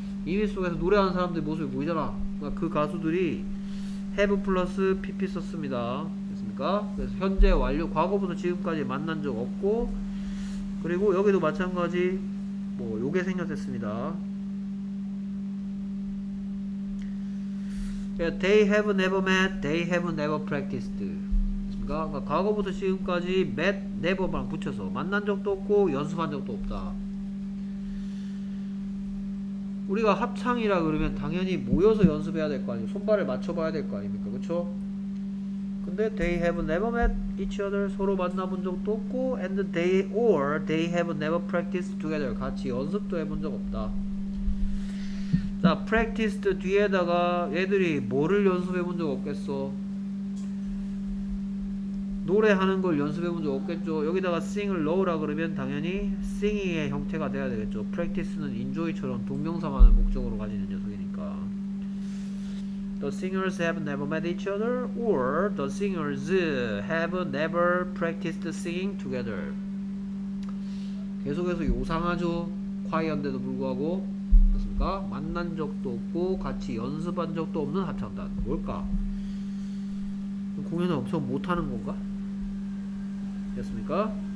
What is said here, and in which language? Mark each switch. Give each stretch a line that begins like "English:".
Korean: 이미지 속에서 노래하는 사람들 모습이 보이잖아. 그러니까 그 가수들이 have 플러스 pp 썼습니다. 그래서 현재 완료, 과거부터 지금까지 만난 적 없고, 그리고 여기도 마찬가지 뭐 요게 생겼습니다.
English: They have never met, they have never practiced.
Korean: 그러니까 과거부터 지금까지 met, never만 붙여서 만난 적도 없고 연습한 적도 없다. 우리가 합창이라 그러면 당연히 모여서 연습해야 될 거 아니에요. 손발을 맞춰봐야 될 거 아닙니까? 그쵸? 근데
English: they have never met each other,
Korean: 서로 만나본 적도 없고
English: and they or they have never practiced together,
Korean: 같이 연습도 해본 적 없다. 자, practiced 뒤에다가 애들이 뭐를 연습해본 적 없겠어? 노래하는 걸 연습해본 적 없겠죠. 여기다가 sing을 넣으라 그러면 당연히 singing의 형태가 돼야 되겠죠. practice는 enjoy처럼 동명사만을 목적으로 가지는 녀석이니까.
English: The singers have never met each other or the singers have never practiced singing together.
Korean: 계속해서 요상하죠. 콰이어인데도 불구하고 그렇습니까? 만난 적도 없고 같이 연습한 적도 없는 합창단. 뭘까? 공연을 엄청 못하는 건가? 됐습니까?